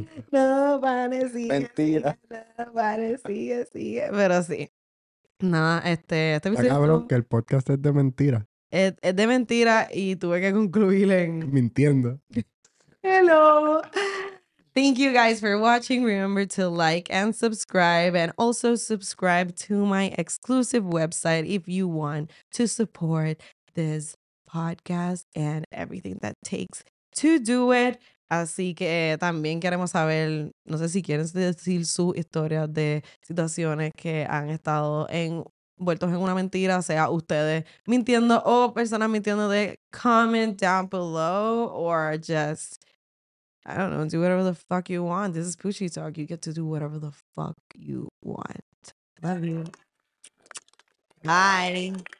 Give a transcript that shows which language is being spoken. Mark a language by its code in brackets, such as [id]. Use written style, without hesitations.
[es] No, paren, sigue. Mentira. No, paren, sigue, sigue. Pero sí. Nada, este episodio... Ya, cabrón, que el podcast es de mentira. Es de mentira y tuve que concluir en... Mintiendo. [en] Hello. Thank you guys for watching. Remember to like and subscribe, and also subscribe to my exclusive website if you want to support this podcast and everything that takes to do it. [es] Así que también queremos saber, no sé si quieren decir su historia de situaciones que han estado envueltos en una mentira, sea ustedes mintiendo o personas mintiendo, de [en] comment down below or just... I don't know, do whatever the fuck you want. This is Poochie Talk. You get to do whatever the fuck you want. Love you. Bye.